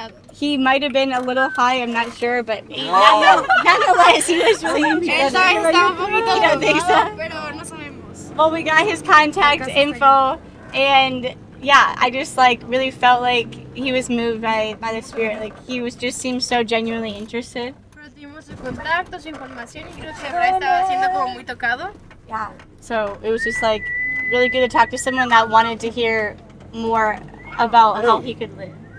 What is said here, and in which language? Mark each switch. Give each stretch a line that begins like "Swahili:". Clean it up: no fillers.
English: He might have been a little high, I'm not sure, but nonetheless, he was really intrigued. You don't think so? Well, we got his contact info, and yeah, I just like really felt like he was moved by the spirit. Like he was just seemed so genuinely interested.
Spanish: contacto, su información, y creo que ahora estaba siendo como muy tocado.
English: Yeah. So it was just like really good to talk to someone that wanted to hear more about how he could live.